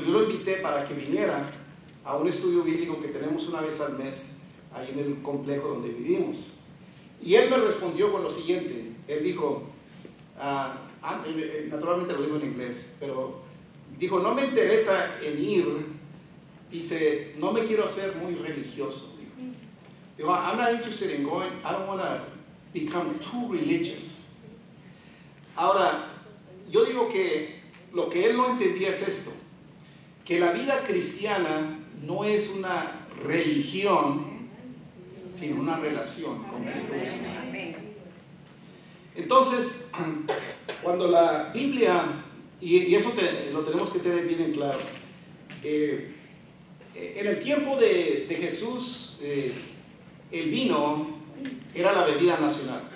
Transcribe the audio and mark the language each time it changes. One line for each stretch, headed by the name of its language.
Spanish: Yo lo invité para que viniera a un estudio bíblico que tenemos una vez al mes ahí en el complejo donde vivimos. Y él me respondió con lo siguiente. Él dijo, naturalmente lo dijo en inglés, pero dijo: no me interesa en ir, dice, no me quiero hacer muy religioso. Dijo,
English: I'm not interested in going, I don't want to become too religious.
Spanish: Ahora, yo digo que lo que él no entendía es esto, que la vida cristiana no es una religión, sino una relación con Cristo Jesús. Entonces, cuando la Biblia, y eso lo tenemos que tener bien en claro, en el tiempo de Jesús, el vino era la bebida nacional.